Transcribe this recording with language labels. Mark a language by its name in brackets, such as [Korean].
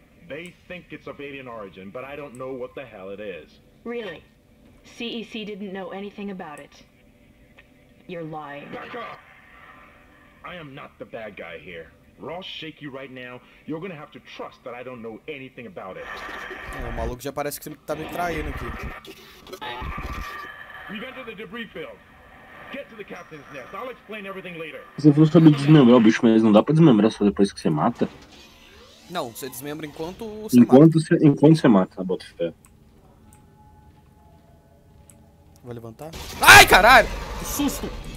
[English] They think it's of alien origin, but I don't know what the hell it is. Really? CEC didn't know anything about it. You're lying. Back up! I am not the bad guy here. Ross shake you right now. You're gonna have to trust that I don't know anything about it. [Portuguese] O maluco já parece que você tá me traindo aqui. [English] We've entered the debris field. Get to the captain's nest. I'll explain everything later. [Portuguese] Você falou sobre desmembrar o bicho, mas não dá pra desmembrar só depois que você mata. Não, você desmembra enquanto você enquanto mata. Enquanto você mata, bota fé. Vou levantar. Ai, caralho! Que susto!